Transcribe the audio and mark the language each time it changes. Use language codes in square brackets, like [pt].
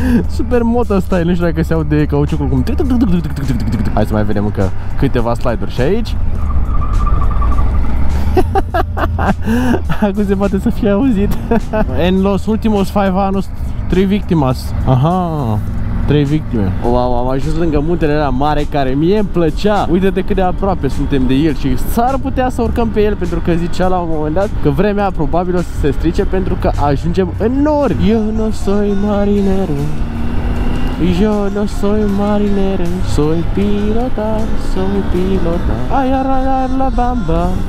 [ro] Super moto style, nu știu dacă se aude cauciucul cum... Hai să mai vedem încă câteva slide-uri și aici. Acum se poate să fie auzit. [es] En los últimos 5 años, 3 victimas. [ro] Aha, 3 victime. Wow, am ajuns lângă muntele ăla mare care mie îmi plăcea. Uite-te cât de aproape suntem de el și s-ar putea să urcăm pe el, pentru că zicea la un moment dat că vremea probabil o să se strice pentru că ajungem în nori. Eu nu [es] soy marinero, yo no soy marinero, soy pilota, soy pilota. Ai arar la bamba,